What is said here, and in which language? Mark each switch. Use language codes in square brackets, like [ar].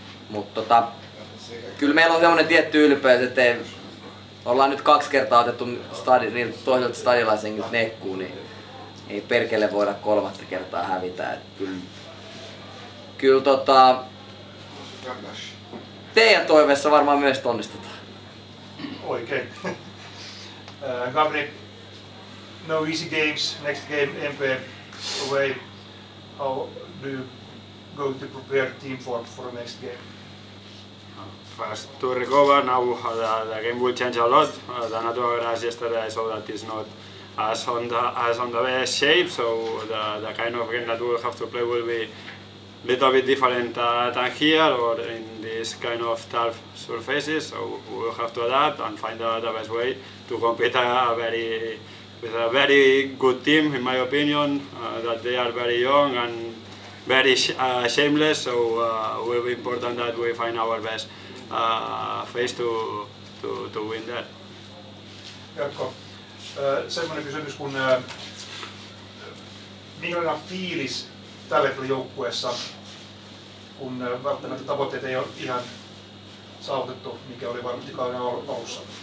[fi] Mutta kyllä meillä on sellainen tietty ylpeys, että ollaan nyt 2 kertaa otettu toiselta stadilaisen nekkuun, niin ei perkele voida 3. kertaa hävitä. Että kyllä teidän toiveessa varmaan myös onnistutaan. Oikein. [en] Gabri, no easy games, next game MP away. How do you go to prepare team for next game? First to recover, now the game will change a lot. The natural grass yesterday I saw that is not as on the best shape, so the kind of game that we'll have to play will be a little bit different than here or in this kind of turf surfaces, so we'll have to adapt and find out the best way to compete with a very good team, in my opinion, that they are very young and very shameless, so will be important that we find our best face to win that. [fi] Jatko, semmoinen kysymys, kun minkälainen fiilis tälle joukkueessa, kun välttämättä tavoitteet ei ole ihan saavutettu, mikä oli varmasti kauden alussa?